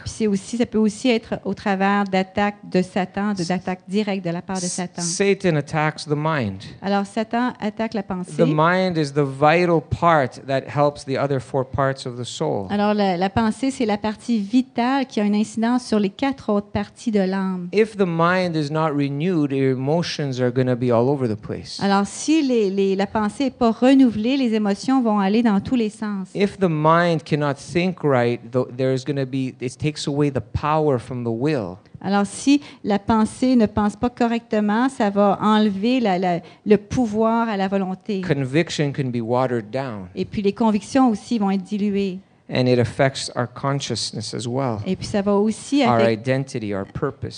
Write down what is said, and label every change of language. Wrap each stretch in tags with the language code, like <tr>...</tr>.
<fr>Puis c'est aussi, ça peut aussi être au travers d'attaques de Satan, d'attaques directes de la part de Satan.</fr> <en>Satan attacks the mind.</en> <fr>Alors Satan attaque la pensée.</fr> <en>The mind is the vital part that helps the other four parts of the soul.</en> <fr>Alors la pensée, c'est la partie vitale qui a une incidence sur les quatre autres parties de l'âme.</fr> <en>If the mind is not renewed, your emotions are going to be all over the place.</en> <fr>Alors si la pensée n'est pas renouvelée, les émotions vont aller dans tous les sens.</fr> <en>If the mind cannot think right, there is going to be, it takes away the power from the will.</en> <fr>Alors, si la pensée ne pense pas correctement, ça va enlever le pouvoir à la volonté.</fr> <en>Conviction can be watered down.</en> <fr>Et puis, les convictions aussi vont être diluées.</fr> <en>And it affects our consciousness as well.</en> <fr>Et puis, ça va aussi</fr> <en>our identity, our purpose.</en>